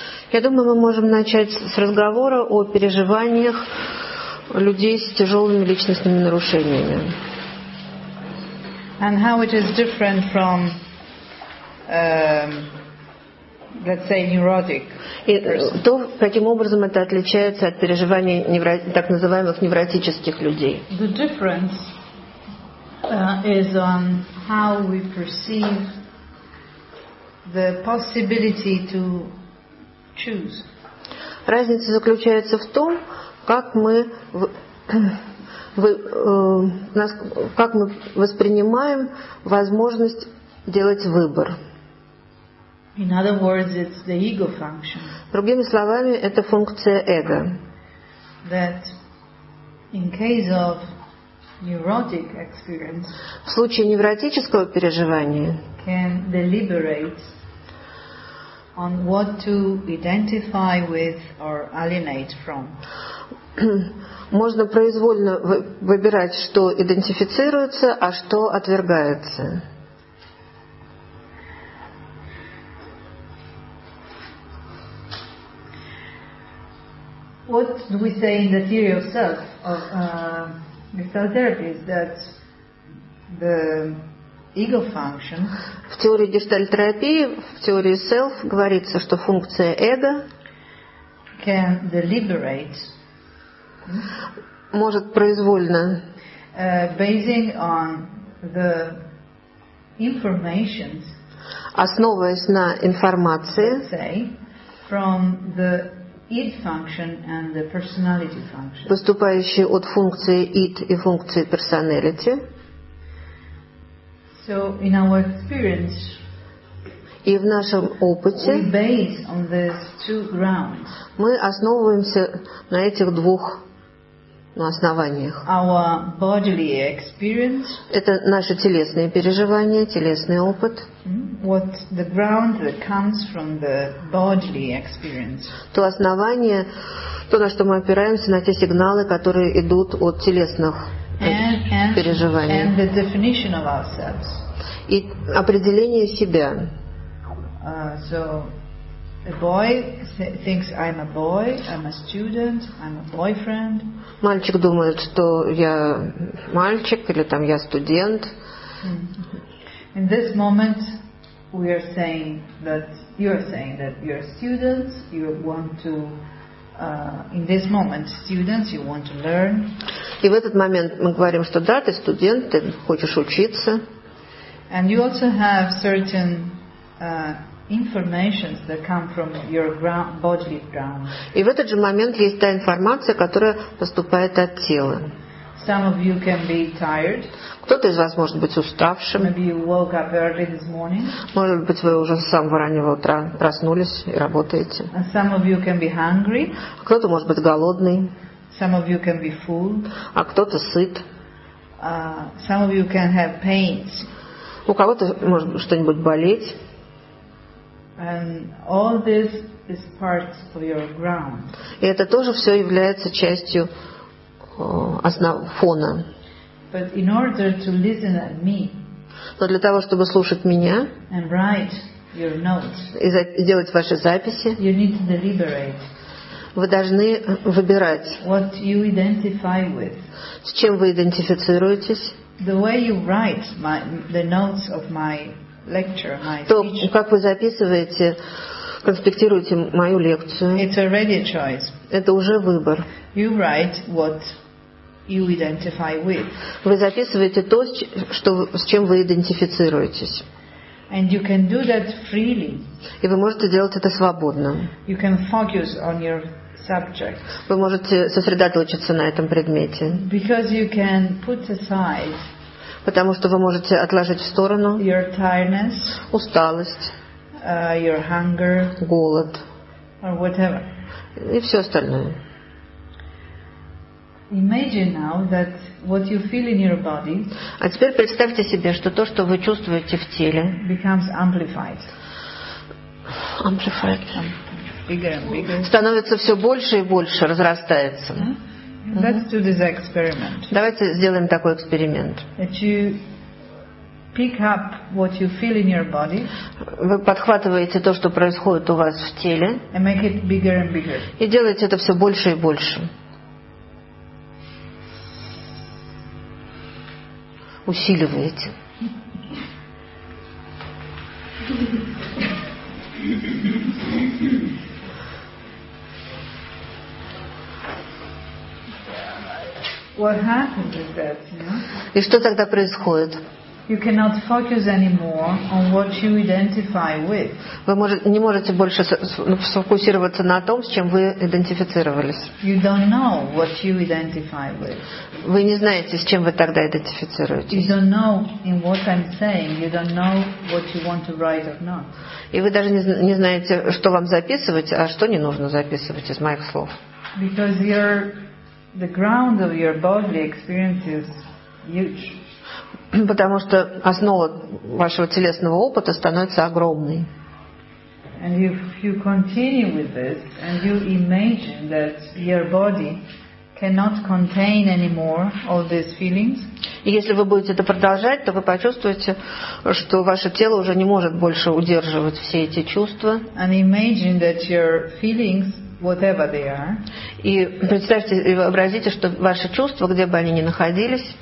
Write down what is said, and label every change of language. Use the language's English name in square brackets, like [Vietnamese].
[Russian] Я думаю, мы можем начать с разговора о переживаниях людей с тяжелыми личностными нарушениями. [English] And how it is different from, let's say, neurotic. [Russian] И то, каким образом это отличается от переживаний так называемых невротических людей. [English] The difference is on how we perceive the possibility to choose. [Russian] Разница заключается в том, как мы как мы воспринимаем возможность делать выбор. [English] In other words, it's the ego function. [Russian] Другими словами, это функция эго. [English] That in case of neurotic experience, [Russian] в случае невротического переживания, [English] can deliberate on what to identify with or alienate from. [Russian] Можно произвольно выбирать, что идентифицируется, а что отвергается. [English] What do we say in the theory of self of gestalt therapy is that the ego function. [Russian] В теории гештальт-терапии, в теории self говорится, что функция эго [English] can deliberate. [Russian] Может произвольно. [English] Basing on the information. [Russian] Основываясь на информации. [English] Say from the id function and the personality function. [Russian] Поступающие от функции id и функции personality. [English] So in our experience. [Russian] И в нашем опыте. [English] We base on these two grounds. [Russian] Мы основываемся на этих двух. На основаниях. [English] Our bodily experience. [Russian] Это наши телесные переживания, телесный опыт. [English] What the ground that comes from the bodily experience. [Russian] То основание, то, на что мы опираемся, на те сигналы, которые идут от телесных переживаний. [English] And the definition of ourselves. [Russian] И определение себя. [English] So a boy thinks I'm a boy, I'm a student, I'm a boyfriend. [Russian] Мальчик думает, что я мальчик или там я студент. [English] In this moment we are saying that you are saying that you are students, you want to in this moment students you want to learn. [Russian] И в этот момент мы говорим, что да, ты студент, ты хочешь учиться. [English] And you also have certain information that come from your ground, bodily ground. [Russian] И в этот же момент есть та информация, которая поступает от тела. [English] Some of you can be tired. [Russian] Кто-то из вас может быть уставшим. [English] Maybe you woke up early this morning. [Russian] Может быть, вы уже с самого раннего утра проснулись и работаете. [English] And some of you can be hungry. [Russian] Кто-то может быть голодный. [English] Some of you can be full. [Russian] А кто-то сыт. [English] Some of you can have pains. [Russian] У кого-то может что-нибудь болеть. [English] And all this is part of your ground. [Russian] И это тоже все является частью фона. [English] But in order to listen at me. [Russian] Но для того, чтобы слушать меня. [English] And write your notes. [Russian] И делать ваши записи. [English] You need to deliberate. [Russian] Вы должны выбирать. [English] What you identify with. [Russian] С чем вы идентифицируетесь? [English] The way you write the notes of my lecture, my speech. [Russian] То, как вы записываете, конспектируете мою лекцию. [English] It's already a choice. [Russian] Это уже выбор. [English] You write what you identify with. [Russian] Вы записываете то, с чем вы идентифицируетесь. [English] And you can do that freely. [Russian] И вы можете делать это свободно. [English] You can focus on your subject. [Russian] Вы можете сосредоточиться на этом предмете. [English] Because you can put aside. [Russian] Потому что вы можете отложить в сторону [English] your tiredness, [Russian] усталость, [English] your hunger, [Russian] голод [English] or whatever. [Russian] И все остальное. [English] Imagine now that what you feel in your body. [Russian] А теперь представьте себе, что то, что вы чувствуете в теле, [English] becomes amplified. Amplified. Bigger and bigger. [Russian] Становится все больше и больше, разрастается. [English] Let's do this experiment. [Russian] Давайте сделаем такой эксперимент. [English] Pick up what you feel in your body. [Russian] Вы подхватываете то, что происходит у вас в теле. [English] And make it bigger and bigger. [Russian] И делаете это все больше и больше. Усиливаете. [English] What happens is that, you know? [Russian] И что тогда происходит? [English] You cannot focus anymore on what you identify with. [Russian] Вы не можете больше сфокусироваться на том, с чем вы идентифицировались. [English] You don't know what you identify with. [Russian] Вы не знаете, с чем вы тогда идентифицируетесь. [English] You don't know in what I'm saying. You don't know what you want to write or not. [Russian] И вы даже не знаете, что вам записывать, а что не нужно записывать из моих слов. [English] Because the ground of your bodily experience is huge. [Russian] Потому что основа вашего телесного опыта становится огромной. [English] And if you continue with this and you imagine that your body cannot contain anymore all these feelings, [Russian] и если вы будете это продолжать, то вы почувствуете, что ваше тело уже не может больше удерживать все эти чувства. [English] And imagine that your feelings, whatever they are, [Russian] и представьте и вообразите, что ваши чувства, где бы они ни находились,